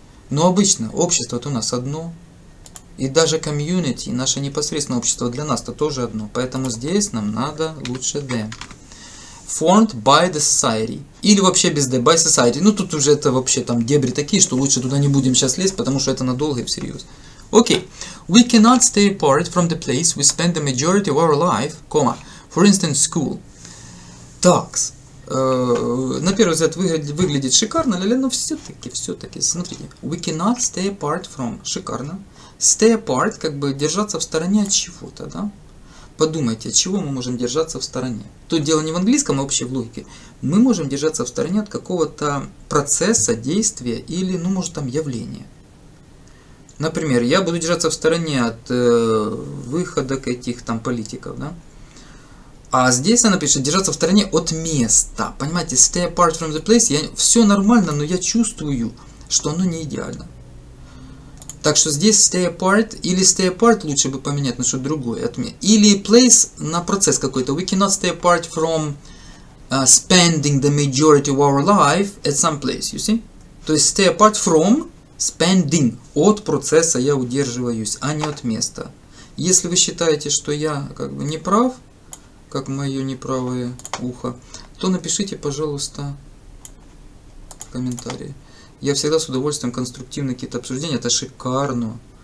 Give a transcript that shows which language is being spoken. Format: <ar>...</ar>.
<ru>Но обычно общество-то у нас одно. И даже комьюнити, наше непосредственное общество для нас-то тоже одно. Поэтому здесь нам надо лучше D.</ru> <en>Formed by the society.</en> <ru>Или вообще без D,</ru> <en>by society.</en> <ru>Ну тут уже это вообще там дебри такие, что лучше туда не будем сейчас лезть, потому что это надолго и всерьез.</ru> <en>Окей. Okay. We cannot stay apart from the place we spend the majority of our life, comma, for instance, school.</en> <ru>Так. На первый взгляд выглядит шикарно, но все-таки, смотрите.</ru> <en>We cannot stay apart from.</en> <ru>Шикарно. Stay apart, как бы держаться в стороне от чего-то, да? Подумайте, от чего мы можем держаться в стороне? Тут дело не в английском, а вообще в логике. Мы можем держаться в стороне от какого-то процесса, действия или, ну, может, там, явления. Например, я буду держаться в стороне от выходок этих там политиков, да? А здесь она пишет держаться в стороне от места. Понимаете,</ru> <en>stay apart from the place.</en> <ru>Я, все нормально, но я чувствую, что оно не идеально. Так что здесь stay apart или stay apart лучше бы поменять на что-то другое. Или place на процесс какой-то.</ru> <en>We cannot stay apart from spending the majority of our life at some place, you see?</en> <ru>То есть</ru> <en>stay apart from spending.</en> <ru>От процесса я удерживаюсь, а не от места. Если вы считаете, что я как бы не прав, как мое неправое ухо, то напишите, пожалуйста, в комментарии. Я всегда с удовольствием конструктивно какие-то обсуждения, это шикарно.</ru>